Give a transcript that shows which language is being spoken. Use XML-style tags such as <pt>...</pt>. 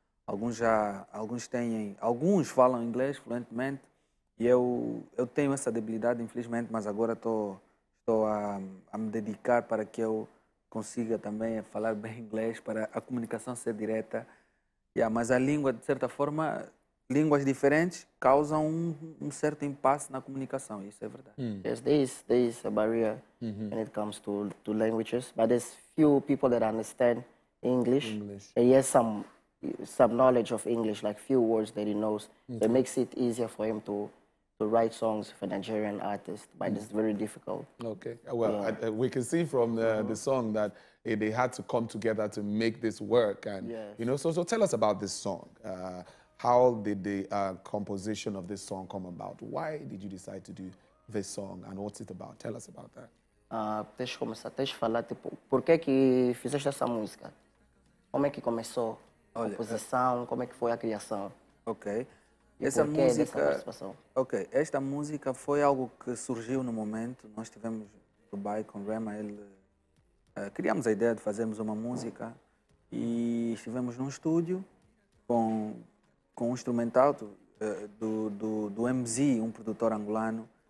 <pt>Alguns falam inglês fluentemente e eu tenho essa debilidade, infelizmente, mas agora estou a me dedicar para que eu consiga também falar bem inglês, para a comunicação ser direta. Yeah, mas a língua, de certa forma, línguas diferentes causam um certo impasse na comunicação, isso é verdade.</pt> <en>Yes, there is a barrier when it comes to languages, but there's few people that understand English. And he has some knowledge of English, like few words that he knows, that makes it easier for him to write songs for Nigerian artists, but it's very difficult. Okay, well, we can see from the song that they had to come together to make this work. And, you know, so tell us about this song. How did the composition of this song come about? Why did you decide to do this song and what's it about? Tell us about that.</en> <pt>Tens de começar, tens de falar, tipo, por que que fizeste essa música? Como é que começou a composição? Como é que foi a criação? Ok. Esta música foi algo que surgiu no momento. Nós estivemos no Dubai com o Rema. Criamos a ideia de fazermos uma música e estivemos num estúdio com um instrumental do MZ, um produtor angolano.</pt>